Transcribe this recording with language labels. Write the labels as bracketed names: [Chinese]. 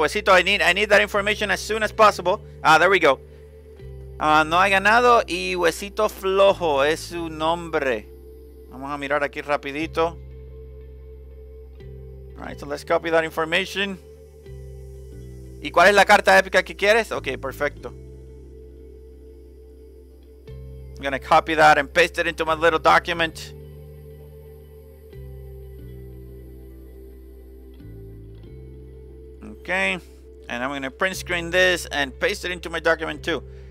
[English] Huesito, I need that information as soon as possible. Ah, there we go. [Spanish] No ha ganado y Huesito Flojo es su nombre. Vamos a mirar aquí rapidito. [English] All right, so let's copy that information. [Spanish] ¿Y cuál es la carta épica que quieres? Okay, perfecto. [English] I'm gonna copy that and paste it into my little document. Okay, and I'm gonna print screen this and paste it into my document too.